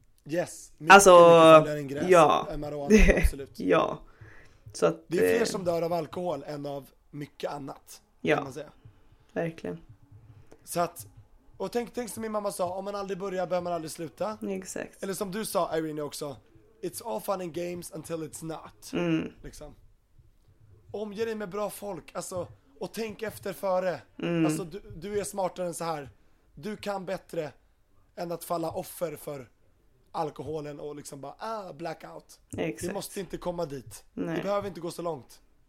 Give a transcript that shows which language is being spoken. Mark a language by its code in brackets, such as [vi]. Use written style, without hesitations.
[sv] Yes. Alltså, farligare än gräs, ja. Än marijuana, absolut. Ja. Så att, det är fler som dör av alkohol än av mycket annat. Ja. Kan man säga. Verkligen. Så att, och tänk som min mamma sa, om man aldrig börjar behöver man aldrig sluta. Exakt. Eller som du sa, Irene, också. [en] It's all fun and games until it's not. [sv] Liksom. Omge dig med bra folk. Alltså, och tänk efter före. Alltså, du är smartare än så här. Du kan bättre än att falla offer för alkoholen och liksom bara blackout. Exakt. Vi måste inte komma dit. Nej. Vi behöver inte gå så långt.